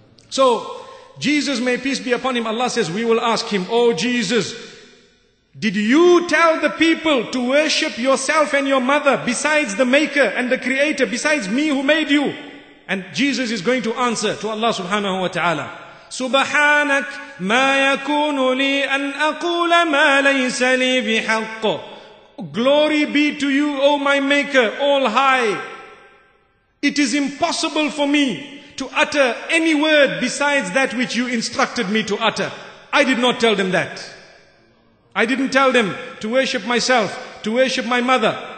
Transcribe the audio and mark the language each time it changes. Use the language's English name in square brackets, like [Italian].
[English] So, Jesus, may peace be upon him, Allah says, we will ask him, oh Jesus, did you tell the people to worship yourself and your mother besides the Maker and the Creator, besides me who made you? And Jesus is going to answer to Allah subhanahu wa ta'ala. [Arabic] سبحانك ما يكون لي أن أقول ما ليس لي بحق. [English] Glory be to you, O my Maker, all high. It is impossible for me to utter any word besides that which you instructed me to utter. I did not tell them that. I didn't tell them to worship myself, to worship my mother.